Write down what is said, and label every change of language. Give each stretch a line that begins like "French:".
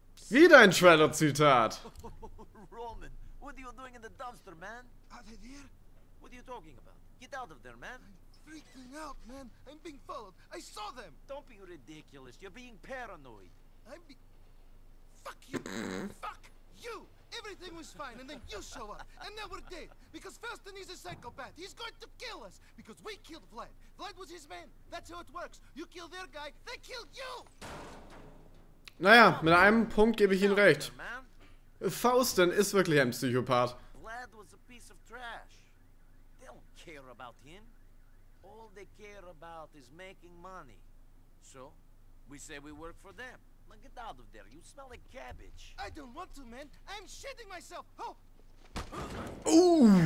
German: Wieder ein Trailer-Zitat.
English: Roman, what are you doing in the dumpster, man? Are they there? What are you talking about? Get out of there, man. I'm freaking out, man. I'm being followed. I saw them. Don't be ridiculous. You're being paranoid. Fuck you. Fuck you. Everything was fine, and then you show up, and now we're dead. Because Felsten is a psychopath. He's going to kill us, because we killed Vlad. Vlad was his man. That's how it works. You kill their guy, they kill you.
German: Naja, mit einem Punkt gebe ich Ihnen recht. Fausten ist wirklich ein Psychopath.
English: Vlad was a piece of trash. They don't care about him. All they care about is making money. So, we say we work for them. Now get out of there, you smell like cabbage. I don't want to, man. I'm shitting myself. Oh!